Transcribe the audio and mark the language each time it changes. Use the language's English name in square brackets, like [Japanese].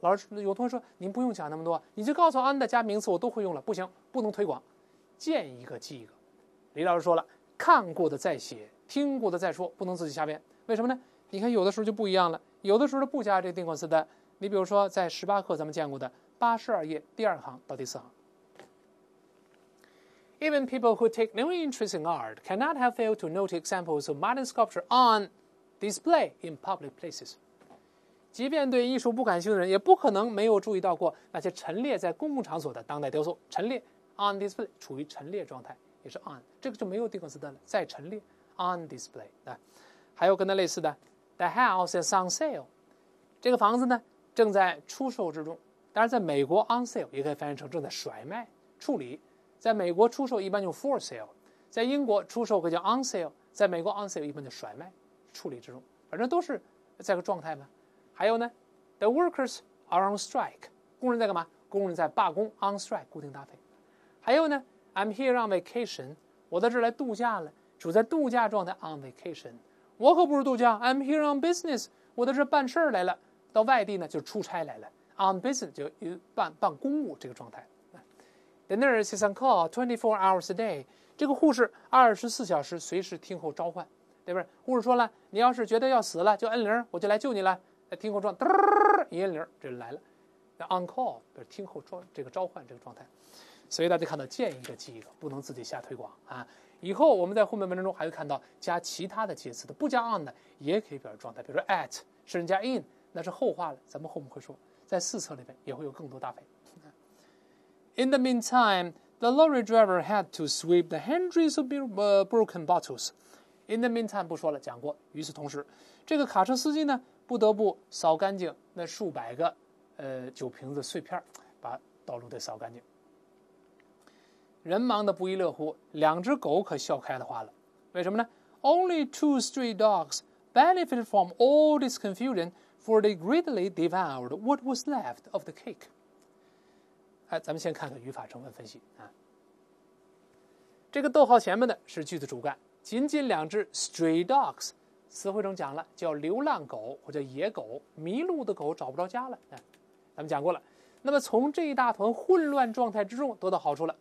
[Chinese] 老师有同学说您不用讲那么多，你就告诉 on 的加名词，我都会用了。不行，不能推广，见一个记一个。李老师说了，看过的再写，听过的再说，不能自己瞎编。为什么呢？你看有的时候就不一样了，有的时候不加这个定冠词的。你比如说在十八课咱们见过的。 82页第二行到第四行。 [English] Even people who take no interest in art cannot have failed to note examples of modern sculpture on display in public places. [Chinese] 即便对艺术不感兴趣的人，也不可能没有注意到过那些陈列在公共场所的当代雕塑。陈列 [English] on display [Chinese] 处于陈列状态，也是 on， 这个就没有定冠词的了。在陈列 [English] on display， [Chinese] 对。还有跟它类似的 ， [English] the house is on sale， [Chinese] 这个房子呢正在出售之中。当然在美国 [English] on sale [Chinese] 也可以翻译成正在甩卖处理，在美国出售一般用 [English] for sale， [Chinese] 在英国出售可叫 on sale， 在美国 on sale 一般就甩卖处理之中，反正都是在个状态嘛。还有呢 [English] the workers are on strike， [Chinese] 工人在干嘛？工人在罢工 [English] on strike [Chinese] 固定搭配。还有呢 [English] I'm here on vacation， [Chinese] 我在这儿来度假了，处在度假状态 [English] on vacation， [Chinese] 我可不是度假 [English] I'm here on business， [Chinese] 我在这儿办事来了，到外地呢就出差来了 [English] On business [Chinese] 就办公务这个状态。 [English] The nurse is on call 24 hours a day. [Chinese] 这个护士24小时随时听候召唤，对不对？护士说了，你要是觉得要死了，就摁铃，我就来救你了。听候状，一摁铃，这来了。 [English] On call [Chinese] 就是听候这个召唤这个状态。所以大家看到见一个记一个，不能自己瞎推广啊。以后我们在后面文章中还会看到加其他的介词的，不加 on 的也可以表示状态，比如说 at， 甚至加 in， 那是后话了，咱们后面会说。在四册里面也会有更多搭配。 [English] In the meantime, the lorry driver had to sweep the hundreds of broken bottles. In the meantime, [Chinese] 不说了，讲过。与此同时，这个卡车司机呢，不得不扫干净那数百个酒瓶子碎片，把道路得扫干净。人忙得不亦乐乎，两只狗可笑开了花了。为什么呢 [English] ？Only two stray dogs benefited from all this confusion. For they greedily devoured what was left of the cake. [Chinese] 咱们先看看语法成分分析啊。这个逗号前面的是句子主干，仅仅两只 [English] stray dogs， [Chinese] 词汇中讲了叫流浪狗或者野狗，迷路的狗找不着家了啊。咱们讲过了，那么从这一大团混乱状态之中得到好处了。